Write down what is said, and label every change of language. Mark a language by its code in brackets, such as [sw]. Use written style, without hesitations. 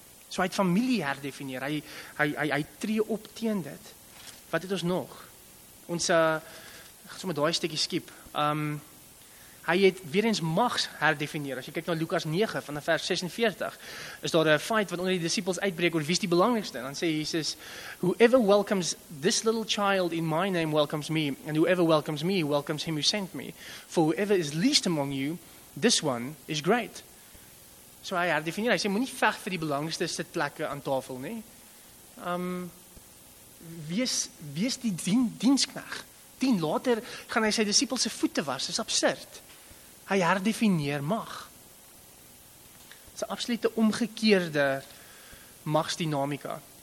[af] So hy het familie herdefinieer, hy tree op teen dit. Wat het ons nog? Ons, ek gaan so met daai stukkie skiep. Hy het weer eens mags herdefinieer. As jy kyk na Lukas 9 van vers 46, is daar 'n fight wat onder die disciples uitbreek oor wie is die belangrikste. [en] Dan sê Jesus, whoever welcomes this little child in my name welcomes me, and whoever welcomes me welcomes him who sent me. For whoever is least among you, this one is great. [af] So hy herdefinieer, hy sê, moet nie veg vir die belangrikste sitplekke aan tafel nie. Wees die dienskneg. Dien later gaan hy sy disciples se voete was, is absurd. Hy herdefinieer mag. Dis 'n absolute omgekeerde magsdinamika.